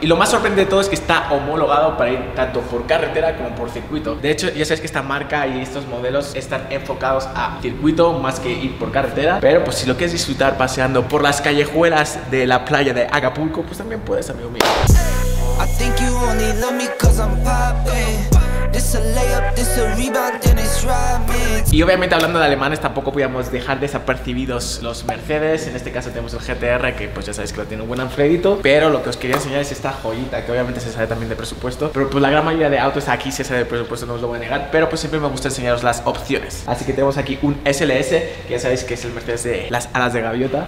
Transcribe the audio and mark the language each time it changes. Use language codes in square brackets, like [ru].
[es] Y lo más sorprendente de todo es que está homologado para ir tanto por carretera como por circuito. De hecho, ya sabéis que esta marca y estos modelos están enfocados a circuito más que ir por carretera. Pero pues si lo quieres disfrutar paseando por las callejuelas de la playa de Acapulco, pues también puedes, amigo mío. [en] I think you only love me cause I'm poppin'. This a layup, this a rebound, then it's robbing. [es] Y obviamente hablando de alemanes, tampoco podíamos dejar desapercibidos los Mercedes. En este caso tenemos el GTR, que pues ya sabéis que lo tiene un buen Alfredito. Pero lo que os quería enseñar es esta joyita, que obviamente se sale también de presupuesto. Pero pues la gran mayoría de autos aquí se sale de presupuesto, no os lo voy a negar. Pero pues siempre me gusta enseñaros las opciones. Así que tenemos aquí un SLS, que ya sabéis que es el Mercedes de las alas de gaviota.